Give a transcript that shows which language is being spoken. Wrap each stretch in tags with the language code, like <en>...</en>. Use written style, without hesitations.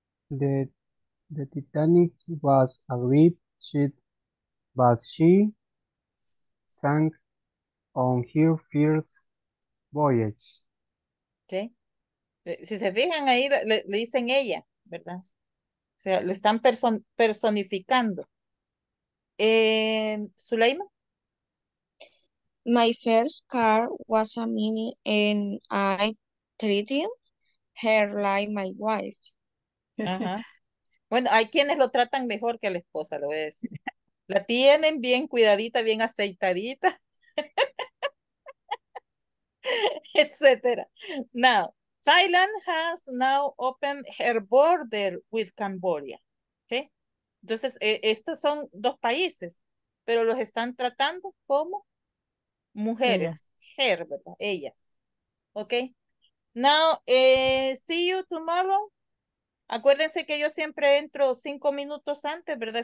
<en>The Titanic was a great ship, but she sank on her first voyage. Okay.</en> <es>Si se fijan ahí, le dicen ella, ¿verdad? O sea, lo están personificando. ¿Suleyma?</es> <en>My first car was a mini and I treated her like my wife.</en> <es>Ajá. Bueno, hay quienes lo tratan mejor que a la esposa, lo voy a decir. La tienen bien cuidadita, bien aceitadita. Etcétera.</es> <en>Now, Thailand has now opened her border with Cambodia.</en> <es>¿Sí? Entonces, estos son dos países, pero los están tratando como mujeres.</es> <en>Her,</en> <es>¿verdad? Ellas.</es> <en>¿Ok? Now, see you tomorrow.</en> <es>Acuérdense que yo siempre entro 5 minutos antes, ¿verdad?</es>